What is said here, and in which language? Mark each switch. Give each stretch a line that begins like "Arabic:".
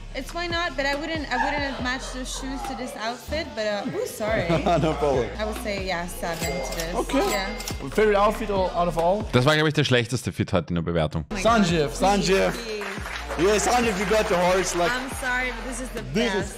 English: It's why not, but I wouldn't have matched the shoes to this outfit, but sorry. No problem. I would say, yeah, 7 to this. Okay. Yeah. Favorite outfit out of all?
German: Das war, glaube ich, der schlechteste Fit heute in der Bewertung.
English: Oh, Sanjeev. Yes, Sanjeev, you got the horse. Like, I'm sorry, but this is the best.